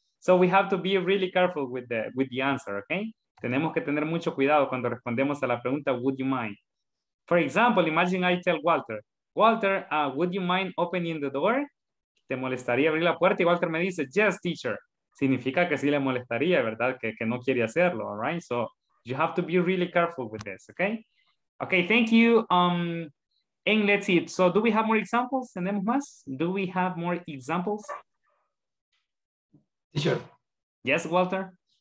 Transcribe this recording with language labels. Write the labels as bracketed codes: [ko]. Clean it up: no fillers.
[en] So we have to be really careful with the answer, okay? [es] Tenemos que tener mucho cuidado cuando respondemos a la pregunta, [en] would you mind? For example, imagine I tell Walter, would you mind opening the door? [es] ¿Te molestaría abrir la puerta? Y Walter me dice, [en] yes, teacher. [es] Significa que sí le molestaría, ¿verdad? Que no quiere hacerlo, [en] all right? So you have to be really careful with this, okay? Okay, thank you. And let's see. So do we have more examples? [es] ¿Tenemos más? [en] Do we have more examples? Teacher. Yes, Walter?